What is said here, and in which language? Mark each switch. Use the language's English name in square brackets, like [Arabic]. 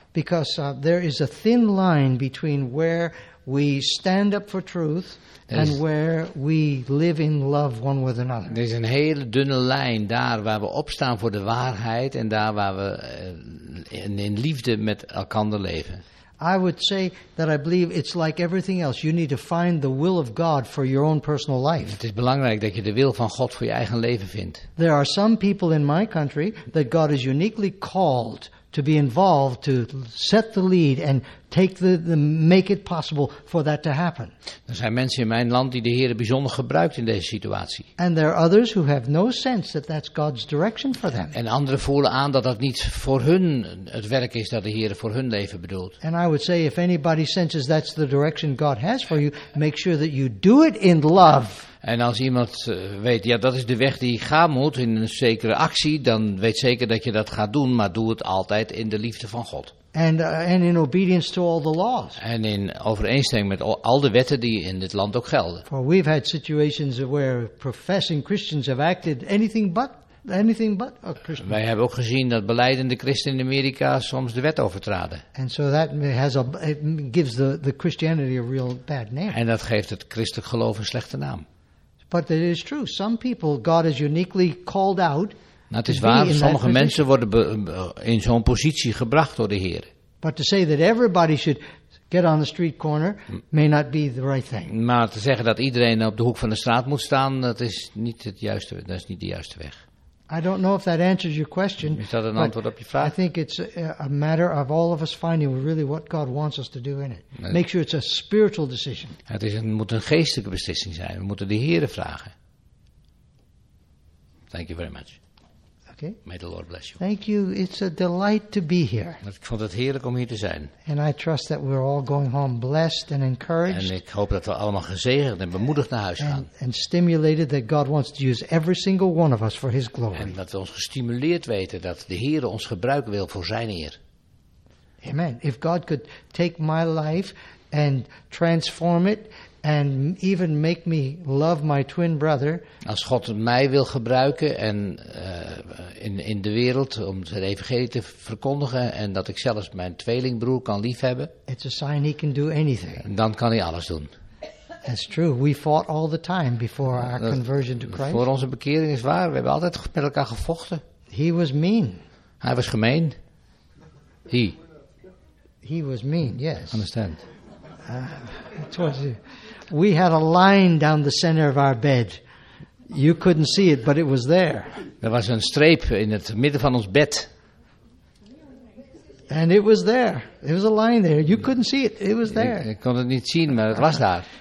[English] Because there is a thin line between where we stand up for truth and where we live in love one with another. [Dutch] Er is een hele dunne lijn daar waar we opstaan voor de waarheid en daar waar we in liefde met elkander leven. [English] I would say that I believe it's like everything else. You need to find the will of God for your own personal life. [Dutch] Het is belangrijk dat je de wil van God voor je eigen leven vindt. [English] There are some people in my country that God has uniquely called to be involved, to set the lead and take the make it possible for that to happen. [Dutch] Er zijn mensen in mijn land die de Heer bijzonder gebruikt in deze situatie. [English] And there are others who have no sense that that's God's direction for them. [Dutch] En anderen voelen aan dat dat niet voor hun het werk is dat de Heer voor hun leven bedoelt. [English] And I would say if anybody senses that's the direction God has for you, make sure that you do it in love. [Dutch] En als iemand weet, ja, dat is de weg die je gaan moet in een zekere actie, dan weet zeker dat je dat gaat doen, maar doe het altijd in de liefde van God. [English] And in obedience to all the laws. [Dutch] En in overeenstemming met al de wetten die in dit land ook gelden. [English] For we've had situations where professing Christians have acted anything but a Christian. [Dutch] Wij hebben ook gezien dat beleidende christenen in Amerika soms de wet overtraden. [English] And so that gives the Christianity a real bad name. [Dutch] En dat geeft het christelijk geloof een slechte naam. [English] But it is true. Some people God has uniquely called out. [Dutch] Nou, het is waar. Sommige mensen worden in zo'n positie gebracht door de Heer. [English] But to say that everybody should get on the street corner may not be the right thing. [Dutch] Maar te zeggen dat iedereen op de hoek van de straat moet staan, dat is niet de juiste weg. [English] I don't know if that answers your question. [Dutch] Is dat een antwoord op je vraag? [English] I think it's a matter of all of us finding really what God wants us to do in it. Make sure it's a spiritual decision. [Dutch] Het moet een geestelijke beslissing zijn. We moeten de Heer vragen. [English] Thank you very much. Okay. May the Lord bless you. Thank you. It's a delight to be here. [Dutch] Ik vond het heerlijk om hier te zijn. [English] And I trust that we're all going home blessed and encouraged. [Dutch] En ik hoop dat we allemaal gezegend en bemoedigd naar huis gaan. [English] And stimulated that God wants to use every single one of us for his glory. [Dutch] En dat we ons gestimuleerd weten dat de Heer ons gebruiken wil voor zijn eer. [English] Amen. If God could take my life and transform it and even make me love my twin brother. [Dutch] Als God mij wil gebruiken en in de wereld om zijn evangelie te verkondigen en dat ik zelfs mijn tweelingbroer kan liefhebben. [English] It's a sign he can do anything. [Dutch] Dan kan hij alles doen. [English] That's true. We fought all the time before our conversion to Christ. [Dutch] Voor onze bekering is waar. We hebben altijd met elkaar gevochten. [English] He was mean. [Dutch] Hij was gemeen. [English] He was mean. Yes. Understand. We had a line down the center of our bed. You couldn't see it, but it was there. [Dutch] Er was een streep in het midden van ons bed. [English] And it was there. It was a line there. You couldn't see it. It was there. [Dutch] Ik kon het niet zien, maar het was daar.